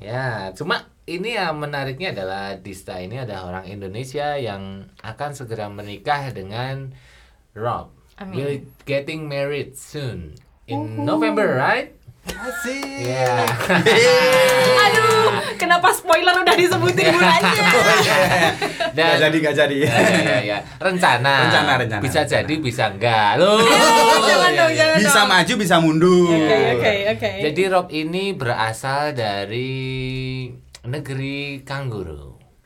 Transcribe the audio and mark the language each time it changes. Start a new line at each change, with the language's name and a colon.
Indonesian: Ya, cuma ini yang menariknya adalah Dista ini ada orang Indonesia yang akan segera menikah dengan Rob. Amin.
English: We're getting married soon in November, right?
Indonesian: Asik.
English: Yeah.
Indonesian: Aduh, kenapa spoiler udah disebutin bulannya? Dan enggak jadi. Ya. Rencana. Bisa Jadi bisa enggak. Loh. Bisa maju, bisa mundur. Oke. Jadi Rob ini berasal dari negeri kanguru.